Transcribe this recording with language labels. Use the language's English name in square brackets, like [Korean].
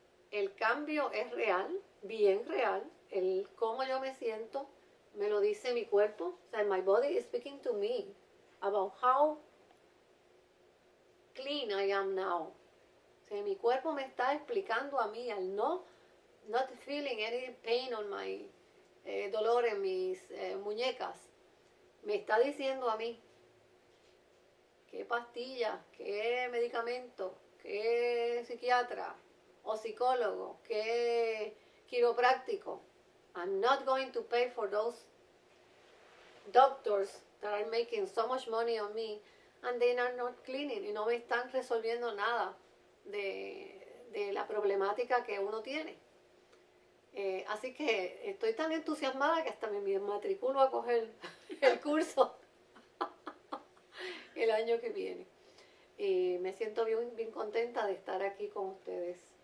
[Spanish] El cambio es real, bien real. El cómo yo me siento, me lo dice mi cuerpo. O sea, [English] my body is speaking to me about how clean I am now. [Spanish] O sea, mi cuerpo me está explicando a mí, al [English] not feeling any pain on my [Spanish] dolor en mis muñecas. Me está diciendo a mí qué pastilla, qué medicamento, qué psiquiatra o psicólogo, que quiropráctico. [English] I'm not going to pay for those doctors that are making so much money on me and they are not cleaning. [Spanish] Y no me están resolviendo nada de la problemática que uno tiene. Así que estoy tan entusiasmada que hasta me matriculo a coger el curso el año que viene. Y me siento bien, bien contenta de estar aquí con ustedes.